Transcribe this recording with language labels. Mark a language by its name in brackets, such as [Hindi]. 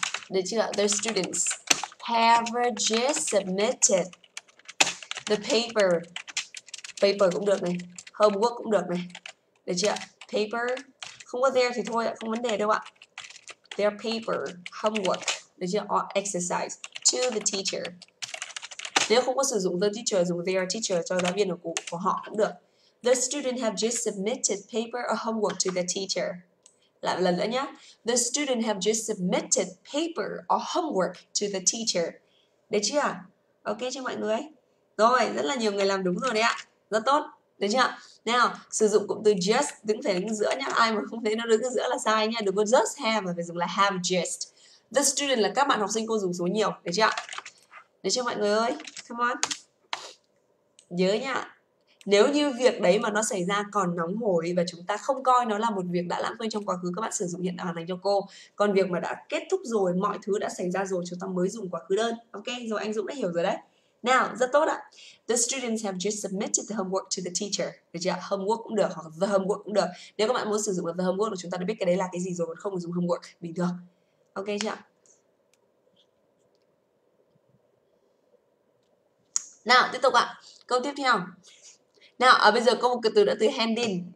[Vietnamese] Được chưa? [English] The students have just submitted the paper. Paper [Vietnamese] cũng được này. [English] Homework cũng được này. Được chưa? Paper. [Vietnamese] Không có there thì thôi ạ. Không vấn đề đâu ạ. [English] Their paper. Homework. [Vietnamese] Được chưa? [English] Or exercise. To the teacher. [Vietnamese] Nếu không có sử dụng the teacher, dùng their teacher cho giáo viên của họ cũng được. [English] The student have just submitted paper or homework to the teacher. [Vietnamese] Lại lần nữa nhé. [English] The student have just submitted paper or homework to the teacher. [Vietnamese] Được chưa? Ok chưa mọi người? Rồi, rất là nhiều người làm đúng rồi đấy ạ. Rất tốt. Được chưa? Nào, sử dụng cụm từ just đứng thể đứng giữa nhé. Ai mà không thấy nó đứng giữa là sai nhé. Đừng có just have mà phải dùng là have just. The student là các bạn học sinh cô dùng số nhiều. Được chưa? Được chưa mọi người ơi? [English] Come on. [Vietnamese] Nhớ nhá. Nếu như việc đấy mà nó xảy ra còn nóng hổi và chúng ta không coi nó là một việc đã lãng quên trong quá khứ, các bạn sử dụng hiện tại hoàn thành cho cô. Còn việc mà đã kết thúc rồi, mọi thứ đã xảy ra rồi, chúng ta mới dùng quá khứ đơn. Ok, rồi anh Dũng đã hiểu rồi đấy. Nào, rất tốt ạ. [English] The students have just submitted the homework to the teacher. [Vietnamese] Được chưa? Homework cũng được, hoặc the homework cũng được. Nếu các bạn muốn sử dụng the homework, chúng ta đã biết cái đấy là cái gì rồi, không dùng homework bình thường. Ok chưa? Nào, tiếp tục ạ. Câu tiếp theo. Nào, bây giờ có một cái từ đã từ hand in.